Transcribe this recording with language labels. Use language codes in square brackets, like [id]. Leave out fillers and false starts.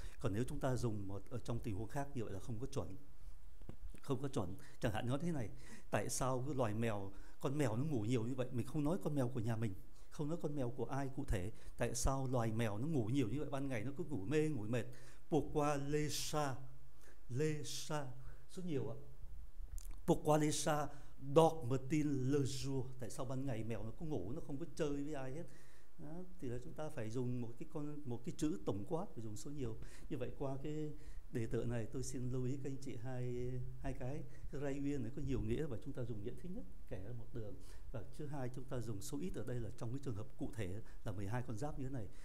[vi] Còn nếu chúng ta dùng một ở trong tình huống khác như vậy là không có chuẩn, không có chuẩn. Chẳng hạn nói thế này, tại sao cái loài mèo, con mèo nó ngủ nhiều như vậy? Mình không nói con mèo của nhà mình, không nói con mèo của ai cụ thể. Tại sao loài mèo nó ngủ nhiều như vậy, ban ngày nó cứ ngủ mê, ngủ mệt? [fr] Pourquoi les chats, les chats [vi] rất nhiều ạ. [fr] Pourquoi les chats dorment-ils le jour? [vi] Tại sao ban ngày mèo nó cứ ngủ, nó không có chơi với ai hết? Đó, thì là chúng ta phải dùng một cái con, một cái chữ tổng quát, phải dùng số nhiều. Như vậy qua cái đề tựa này, tôi xin lưu ý các anh chị hai cái. Ray uyên này có nhiều nghĩa, và chúng ta dùng nghĩa thứ nhất, kẻ là một đường. Và thứ hai, chúng ta dùng số ít ở đây là trong cái trường hợp cụ thể là 12 con giáp như thế này.